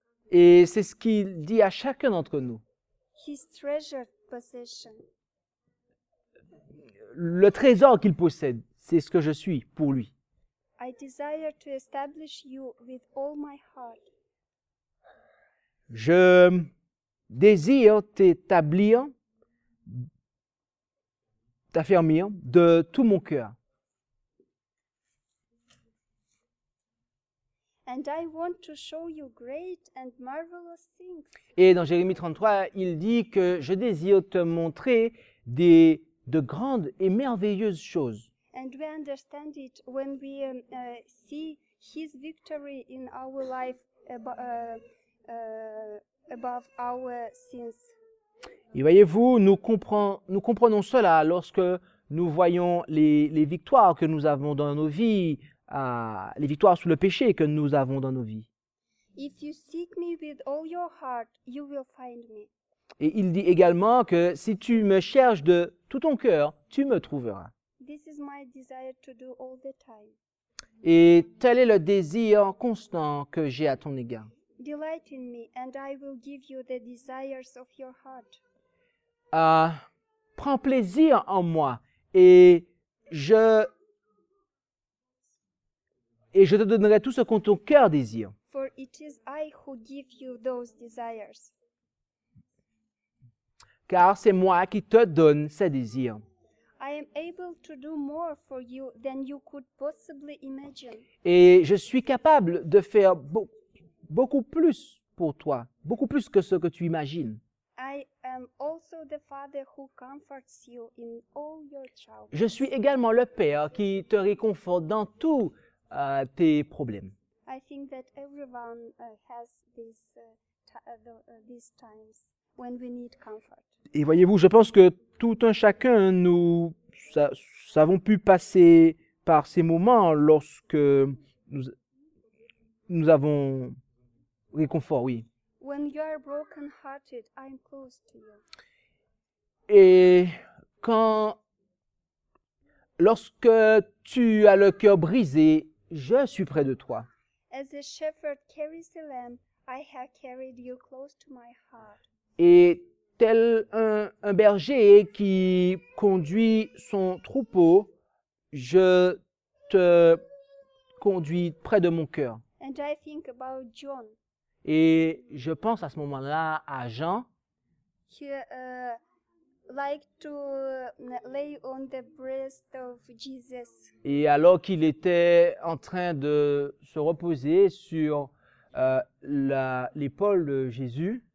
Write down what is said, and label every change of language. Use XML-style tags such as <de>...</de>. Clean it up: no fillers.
<fr>Et c'est ce qu'il dit à chacun d'entre nous.</fr> <en>His treasured possession.</en> <fr>Le trésor qu'il possède, c'est ce que je suis pour lui.</fr> <en>I desire to establish you with all my heart.</en> <fr>Je désire t'établir, t'affermir de tout mon cœur.</fr> <en>And I want to show you great and marvelous things.</en> <fr>Et dans Jérémie 33, il dit que je désire te montrer de grandes et merveilleuses choses.</fr> <en>And we understand it when we see his victory in our life above our sins.</en> <fr>Et voyez-vous, nous comprenons cela lorsque nous voyons les victoires que nous avons dans nos vies. Les victoires sur le péché que nous avons dans nos vies.</fr> <en>If you seek me with all your heart, you will find me.</en> <fr>Et il dit également que si tu me cherches de tout ton cœur, tu me trouveras.</fr> <en>This is my desire to do all the time.</en> <fr>Et tel est le désir constant que j'ai à ton égard.</fr> <en>Delight in me and I will give you the desires of your heart.</en> <fr>Prends plaisir en moi et je te donnerai tout ce que ton cœur désire.</fr> <en>For it is I who give you those desires.</en> <fr>Car c'est moi qui te donne ces désirs.</fr> <en>I am able to do more for you than you could possibly imagine.</en> <fr>Et je suis capable de faire beaucoup plus pour toi, beaucoup plus que ce que tu imagines.</fr> <en>I am also the father who comforts you in all your troubles.</en> <fr>Je suis également le père qui te réconforte dans tout tes problèmes.</fr> <en>I think that everyone has these times when we need comfort.</en> <fr>Et voyez-vous, je pense que tout un chacun nous avons pu passer par ces moments lorsque nous avons réconfort, oui.</fr> <en>When you are broken-hearted, I'm close to you.</en> <fr>Et quand lorsque tu as le cœur brisé, je suis près de toi.</fr> <en>As a shepherd carries a lamb, I have carried you close to my heart.</en> <fr>Et tel un berger qui conduit son troupeau, je te conduis près de mon cœur.</fr> <en>And I think about John.</en> <fr>Et je pense à ce moment-là à Jean.</fr> <en>He like to lay on the breast of Jesus.</en> <fr>Et alors qu'il était en train de se reposer sur l'épaule de Jésus,</fr>